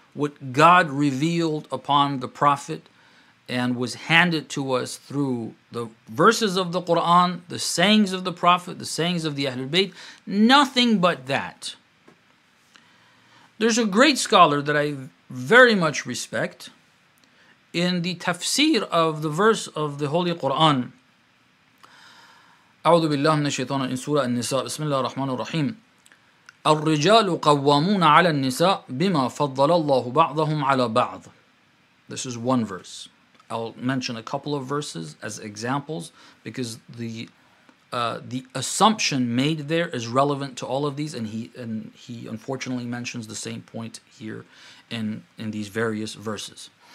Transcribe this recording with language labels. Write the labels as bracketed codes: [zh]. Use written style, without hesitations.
[en] what God revealed upon the Prophet and was handed to us through the verses of the Quran, the sayings of the Prophet, the sayings of the Ahlul Bayt, nothing but that. There's a great scholar that I very much respect in the tafsir of the verse of the Holy Quran. [ar] أعوذ بالله من الشيطان إن سورة النساء بسم الله الرحمن الرحيم الرجال قوامون على النساء بما فضل الله بعضهم على بعض. [en] This is one verse. I'll mention a couple of verses as examples because the assumption made there is relevant to all of these, and he unfortunately mentions the same point here in these various verses.